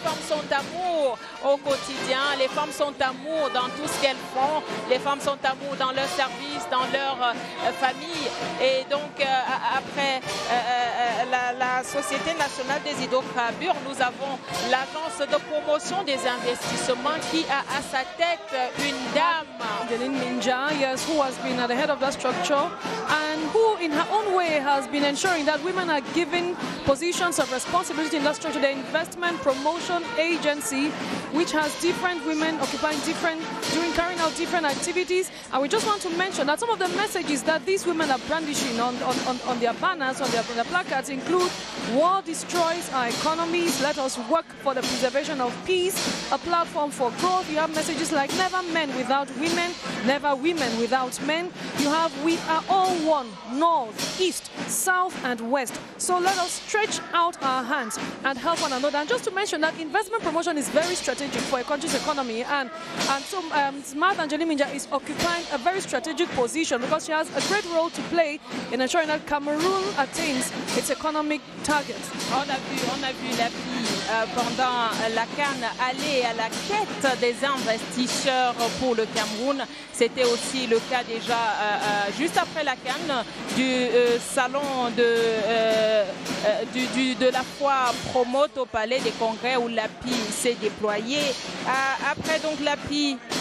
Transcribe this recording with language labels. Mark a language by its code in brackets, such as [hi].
[fr] Les femmes sont d'amour au quotidien. Les femmes sont d'amour dans tout ce qu'elles font. Les femmes sont d'amour dans leur service, dans leur famille. Et donc, après la Société Nationale des Hydrocarbures, nous avons l'Agence de Promotion des Investissements qui a à sa tête une dame. [en] Angeline Minja, yes, who has been at the head of that structure and who in her own way has been ensuring that women are given positions of responsibility in that structure, the Investment Promotion Agency, which has different women occupying different, doing carrying out different activities. And we just want to mention that some of the messages that these women are brandishing on their banners, on their placards, include "War destroys our economies, let us work for the preservation of peace, a platform for growth." You have messages like "Never men without women, never women without men." You have "We are all one, north, east, south and west, so let us stretch out our hands and help one another." And just to mention that investment promotion is very strategic for a country's economy, and so Smart Angeline Minja is occupying a very strategic position because she has a great role to play in ensuring that Cameroon attains its economic targets. [fr] On a vu la fille pendant la CAN aller à la quête des investisseurs pour le Cameroun. C'était aussi le cas déjà juste après la CAN du salon de la foi Promote au Palais des Congrès où la PI s'est déployée. Après donc la PI